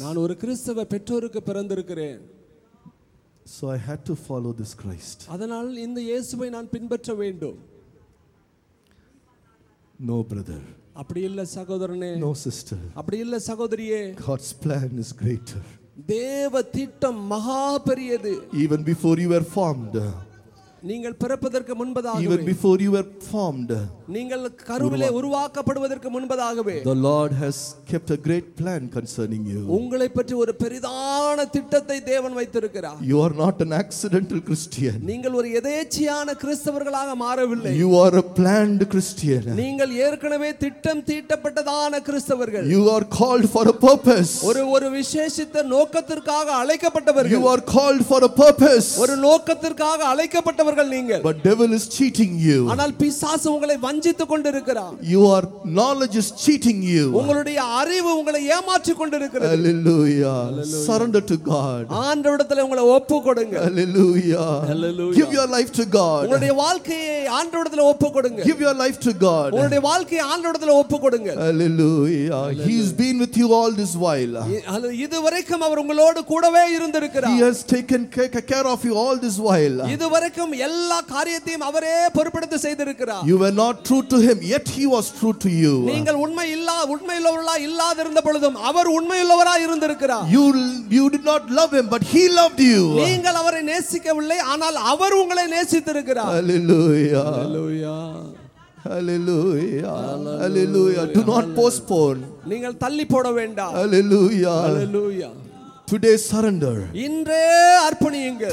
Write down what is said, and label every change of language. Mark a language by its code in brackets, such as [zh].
[ta] நான் ஒரு கிறிஸ்தவ பெற்றோருக்கு பிறந்திருக்கிறேன். [en] So I had to follow this Christ. [ta] அதனால் இந்த இயேசுவை நான் பின்பற்ற வேண்டும். [en] No brother. [ta] அப்படி இல்ல சகோதரனே. [en] No sister. [ta] அப்படி இல்ல சகோதரியே. [en] God's plan is greater. [ta] தேவ திட்டம் மகா பெரியது. [en] Even before you were formed. [ta] நீங்கள் பிறப்பதற்கு முன்பதாகவே. [en] Even before you were formed. [ta] நீங்கள் கருவிலே உருவாக்கப்படுவதற்கு முன்பதாகவே. [en] The Lord has kept a great plan concerning you. [ta] உங்களை பற்றி ஒரு பெரிதான திட்டத்தை தேவன் வைத்திருக்கிறார். [en] You are not an accidental Christian. [ta] நீங்கள் ஒரு எதேச்சியான கிறிஸ்தவர்களாக மாறவில்லை. [en] You are a planned Christian. [ta] நீங்கள் ஏற்கனவே திட்டம் தீட்டப்பட்டதான கிறிஸ்தவர்கள். [en] You are called for a purpose. [ta] ஒரு விசேஷித்த நோக்கத்திற்காக அழைக்கப்பட்டவர்கள். [en] You are called for a purpose. [ta] ஒரு நோக்கத்திற்காக அழைக்கப்பட்ட நீங்கள். [en] But devil is cheating you. [ta] ஆனால் பிசாசு உங்களை வஞ்சித்துக் கொண்டிருக்கிறான். [en] Your knowledge is cheating you. [ta] உங்களுடைய அறிவு உங்களை ஏமாற்றிக் கொண்டிருக்கிறது. [en] Hallelujah. Surrender to God. [ta] ஆண்டவரிடத்தில் உங்களை ஒப்புக்கொடுங்க. [en] Hallelujah. Hallelujah. Give your life to God. [ta] உங்களுடைய வாழ்க்கையை ஆண்டவரிடத்தில் ஒப்புக்கொடுங்க. [en] Give your life to God. [ta] உங்களுடைய வாழ்க்கையை ஆண்டவரிடத்தில் ஒப்புக்கொடுங்க. [en] Hallelujah. He has been with you all this while. [ta] இதுவரைக்கும் அவர் உங்களோடு கூடவே இருந்திருக்கிறார். [en] He has taken care of you all this while. [ta] இதுவரைக்கும் எல்லா காரியத்தையும் அவரே பொறுப்படுத்து செய்திருக்கிறார். [en] You were not true to him, yet he was true to you. [ta] நீங்கள் உண்மையில்லாதிருந்தபொழுதும் அவர் உண்மையுள்ளவராய் இருந்திருக்கிறார். [en] You did not love him, but he loved you. [ta] நீங்கள் அவரை நேசிக்கவில்லை, ஆனால் அவர் உங்களை நேசித்திருக்கிறார். [en] Hallelujah. Hallelujah. Hallelujah. Hallelujah. Do not postpone. [ta] நீங்கள் தள்ளி போட வேண்டாம். [en] Hallelujah. Hallelujah. Today surrender. [ta] இன்று அர்ப்பணியுங்கள்.